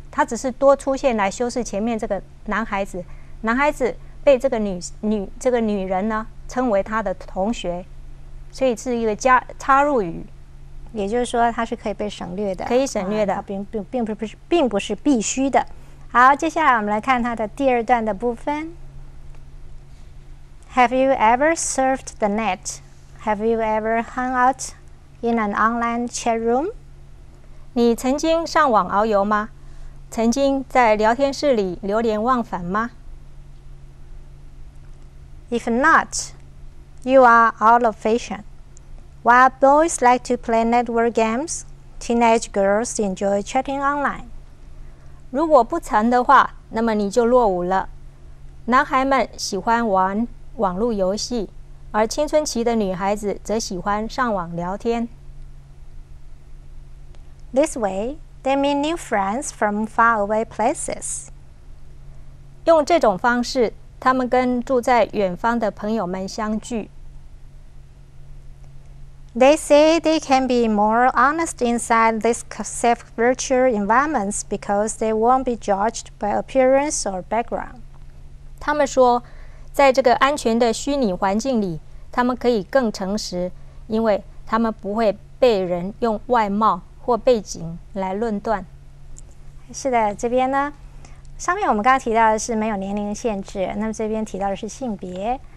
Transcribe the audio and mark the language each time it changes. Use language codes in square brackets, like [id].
[zh] 他只是多出现来修饰前面这个男孩子。男孩子被这个女人呢称为他的同学，所以是一个加插入语。也就是说，它是可以被省略的，可以省略的，啊、并不是必须的。好，接下来我们来看它的第二段的部分。 [en] Have you ever surfed the net? Have you ever hung out in an online chat room? [zh] 你曾经上网遨游吗？曾经在聊天室里流连忘返吗 [en] ？If not, you are out of fashion. While boys like to play network games, teenage girls enjoy chatting online. [zh] 如果不曾的话，那么你就落伍了。男孩们喜欢玩网络游戏，而青春期的女孩子则喜欢上网聊天。 [en] This way, they meet new friends from far away places. [zh] 用这种方式，他们跟住在远方的朋友们相聚。 [en] They say they can be more honest inside these safe virtual environments because they won't be judged by appearance or background. [zh] 他们说，在这个安全的虚拟环境里，他们可以更诚实，因为他们不会被人用外貌或背景来论断。是的，这边呢，上面我们刚刚提到的是没有年龄限制，那么这边提到的是性别。